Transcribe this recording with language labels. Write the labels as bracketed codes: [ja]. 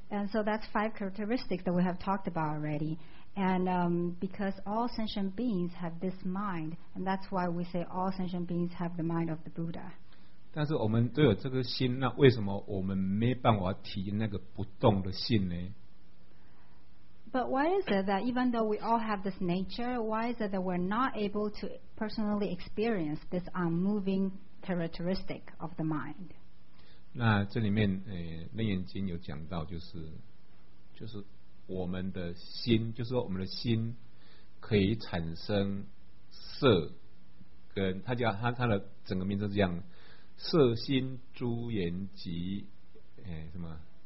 [en] so that's five characteristics that we have talked about already. And because all sentient beings have this mind, and that's why we say all sentient beings have the mind of the Buddha. [zh] 但是我们都有这个心，那为什么我们没办法体验那个不动的性呢？ [en] But why is it that even though we all have this nature, why is it that we're not able to personally experience this unmoving characteristic of the mind? [zh] 那这里面，楞严经有讲到，就是我们的心，就是我们的心可以产生色，跟它叫它的整个名字是这样，色心诸缘集，什么？